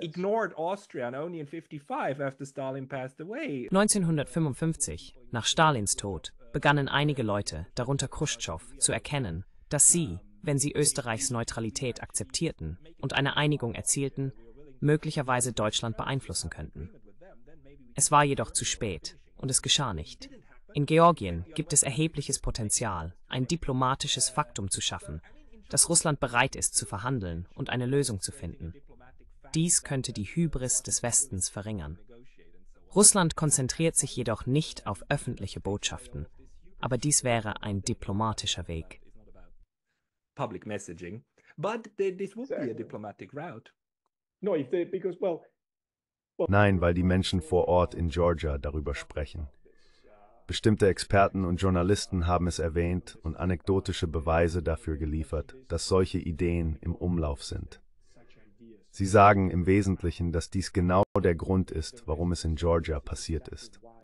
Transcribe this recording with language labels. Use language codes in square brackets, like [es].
[en] Ignored Austria and only in 55 after Stalin passed away. [de] 1955, nach Stalins Tod, begannen einige Leute, darunter Khrushchev, zu erkennen, dass sie, wenn sie Österreichs Neutralität akzeptierten und eine Einigung erzielten, möglicherweise Deutschland beeinflussen könnten. Es war jedoch zu spät und es geschah nicht. In Georgien gibt es erhebliches Potenzial, ein diplomatisches Faktum zu schaffen, dass Russland bereit ist zu verhandeln und eine Lösung zu finden. Dies könnte die Hybris des Westens verringern. Russland konzentriert sich jedoch nicht auf öffentliche Botschaften, aber dies wäre ein diplomatischer Weg. [en] Public messaging, but this would be a diplomatic route. No, if they, because well. [de] Nein, weil die Menschen vor Ort in Georgia darüber sprechen. Bestimmte Experten und Journalisten haben es erwähnt und anekdotische Beweise dafür geliefert, dass solche Ideen im Umlauf sind. Sie sagen im Wesentlichen, dass dies genau der Grund ist, warum es in Georgia passiert ist.